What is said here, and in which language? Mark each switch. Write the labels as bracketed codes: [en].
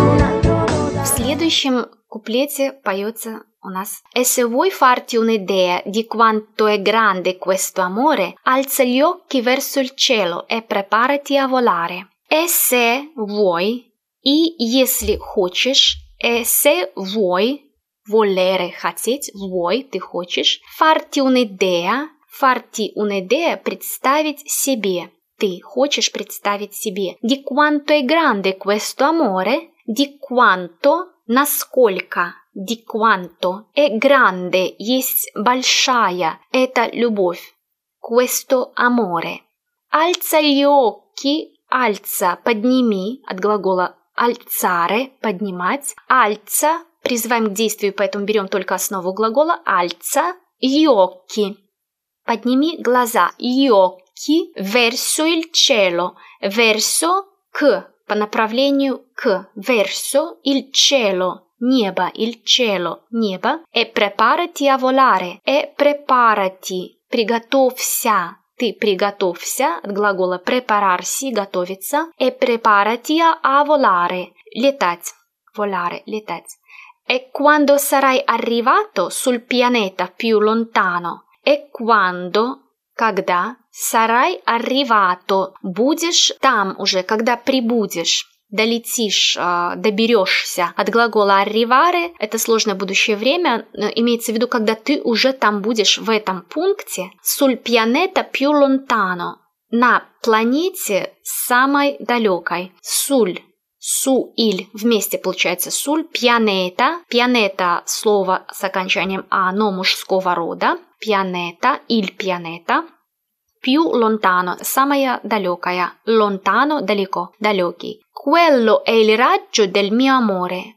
[ru] В следующем куплете поется у нас [it] «Esse vuoi farti un'idea di quanto è grande questo amore, alza gli occhi verso il cielo e preparati a volare». [ru] «Esse vuoi» и «если хочешь», «esse vuoi» – «volere» – «хотеть», «vuoi» – «ты хочешь», [it] «farti un'idea» [ru] – «farti un'idea» – «представить себе», «ты хочешь представить себе». [it] «Di quanto è grande questo amore, di quanto» [ru] Насколько, [it] di quanto, è grande, [ru] есть большая, это любовь, [it] questo amore. Alza gli occhi, alza, [ru] подними, от глагола [it] alzare, [ru] поднимать. Alza, призываем к действию, поэтому берем только основу глагола, alza, gli occhi. Подними глаза, [it] gli occhi, verso il cielo, verso, к, [ru] по направлению к, [it] verso il cielo, небо, il cielo, небо, e preparati a volare, e preparati, [ru] приготовься, ты приготовься, [it] от глагола prepararsi, готовиться, e preparati a volare, летать, volare, летать. E quando sarai arrivato sul pianeta più lontano, e quando, когда, sarai arrivato, [ru] будешь там уже, когда прибудешь, долетишь, доберешься. От глагола arrivare, это сложное будущее время, имеется в виду, когда ты уже там будешь в этом пункте. [it] Sul pianeta più lontano, [ru] на планете самой далекой. Sul, su, il, вместе получается sul, pianeta, pianeta слово с окончанием a, но мужского рода, pianeta, il pianeta. [it] Più lontano, [ru] самая далекая. Lontano, далеко, далекий. [it] Quello è il raggio del mio amore.